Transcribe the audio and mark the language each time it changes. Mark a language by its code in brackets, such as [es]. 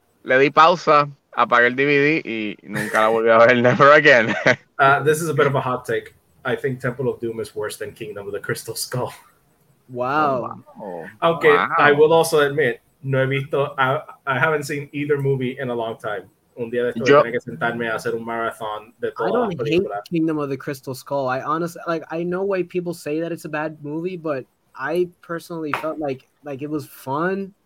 [es] Le di pausa, apagué el DVD y nunca la volví a ver. [en] Never again. This is a bit of a hot take. I think Temple of Doom is worse than Kingdom of the Crystal Skull. Wow. Okay, wow. I will also admit, [es] no he visto. [en] I haven't seen either movie in a long time. [es] Un día de esto, tengo que sentarme a hacer un marathon de toda la película. [en] I don't hate Kingdom of the Crystal Skull. I honestly, like, I know why people say that it's a bad movie, but I personally felt like it was fun.